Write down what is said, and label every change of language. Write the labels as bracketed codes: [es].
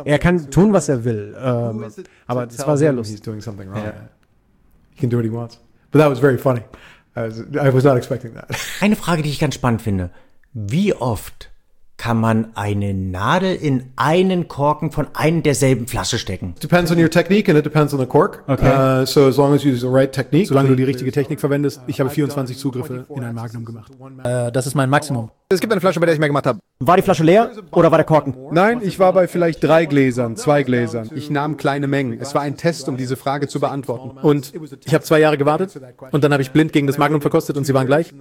[de] Er kann tun, was er will, aber das war sehr lustig. [en] He's doing something wrong. Yeah. He can do what he wants. But that was very funny. I was not expecting that. [de] Eine Frage, die ich ganz spannend finde. Wie oft kann man eine Nadel in einen Korken von einer derselben Flasche stecken? [en] Depends on your technique and it depends on the cork. Okay. So as long as you use the right technique. [de] Solange du die richtige Technik verwendest. Ich habe 24 Zugriffe in ein Magnum gemacht. Das ist mein Maximum. Es gibt eine Flasche, bei der ich mehr gemacht habe. War die Flasche leer oder war der Korken? Nein, ich war bei vielleicht 3 Gläsern, 2 Gläsern. Ich nahm kleine Mengen. Es war ein Test, um diese Frage zu beantworten. Und ich habe 2 Jahre gewartet und dann habe ich blind gegen das Magnum verkostet und sie waren gleich.